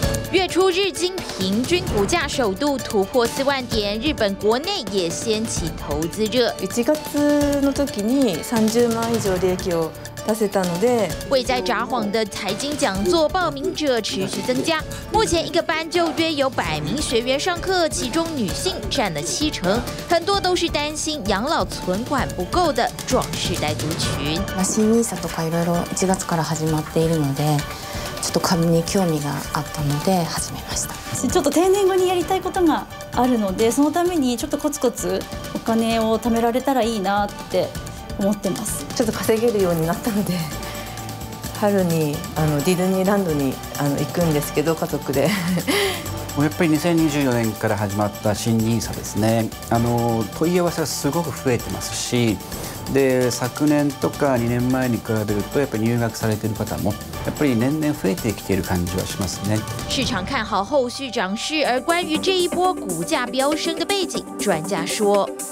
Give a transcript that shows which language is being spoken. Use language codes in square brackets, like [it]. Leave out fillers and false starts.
[zh] 月初日经平均股价首度突破40000点，日本国内也掀起投资热。 [ja] 1月の時に30万以上利益を出せたので、 [zh] 位在札幌的财经讲座报名者持续增加。目前一个班就约有100名学员上课，其中女性占了70%，很多都是担心养老存款不够的壮世代族群。 [ja] 新NISAとかいろいろ1月から始まっているので。ちょっと株に興味があったので始めました。ちょっと定年後にやりたいことがあるので、そのためにちょっとコツコツお金を貯められたらいいなって思ってます。ちょっと稼げるようになったので、春にディズニーランドに行くんですけど、家族でやっぱり2024年から始まった新NISAですね。問い合わせはすごく増えてますし、で昨年とか2年前に比べると、やっぱり入学されている方もやっぱり年々増えてきている感じはしますね。 [zh] 市場看好後續漲勢、而關於這一波股價飆升的背景、專家說。